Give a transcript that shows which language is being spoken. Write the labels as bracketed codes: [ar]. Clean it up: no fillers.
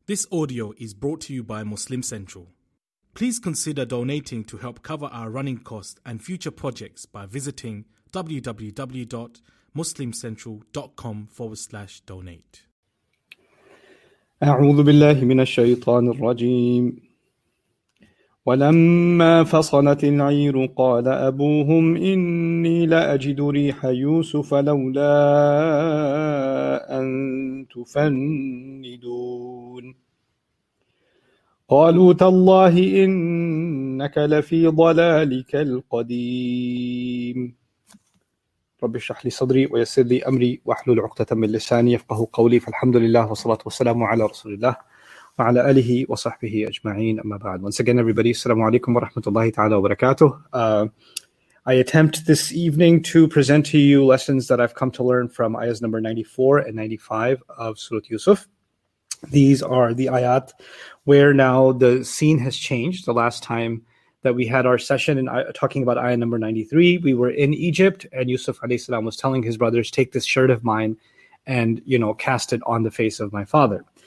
[en] This audio is brought to you by Muslim Central. Please consider donating to help cover our running costs and future projects by visiting www.muslimcentral.com/donate. [ar] أعوذ بالله من الشيطان الرجيم. ولما فصلت العير قال أبوهم إني لأجد ريح يوسف لولا أن تفندون. قالوا تالله إنك لفي ضلالك القديم. رب اشرح لي صدري ويسر لي أمري واحلل عقدة من لساني يفقه قولي. فالحمد لله والصلاة والسلام على رسول الله وعلى آله وصحبه أجمعين. أما بعد, [en] once again everybody, [ar] السلام عليكم ورحمة الله تعالى وبركاته. [en] I attempt this evening to present to you lessons that I've come to learn from ayahs number 94 and 95 of Surah Yusuf. These are the ayat where now the scene has changed. The last time that we had our session and talking about ayah number 93, we were in Egypt and Yusuf alayhi salam was telling his brothers, take this shirt of mine and, you know, cast it on the face of my father.